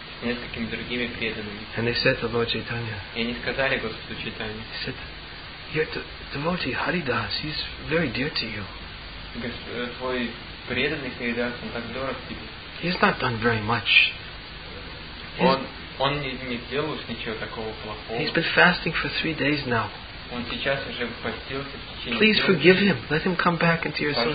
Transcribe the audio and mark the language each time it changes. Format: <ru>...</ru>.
<ru>Несколькими другими преданными.</ru> <en>And they said to Lord Chaitanya,</en> <ru>и они сказали Господу Чайтанье,</ru> <en>he said, "Your devotee Haridas, he's very dear to you.</en> <ru>Твой преданный Харидас, он так дорог тебе.</ru> <en>He's not done very much.</en> <ru>Он не сделал уж ничего такого плохого.</ru> <en>He's been fasting for 3 days now.</en> <ru>Он сейчас уже постился в течение.</ru> <en>Please forgive him. Let him come back into your association.</en>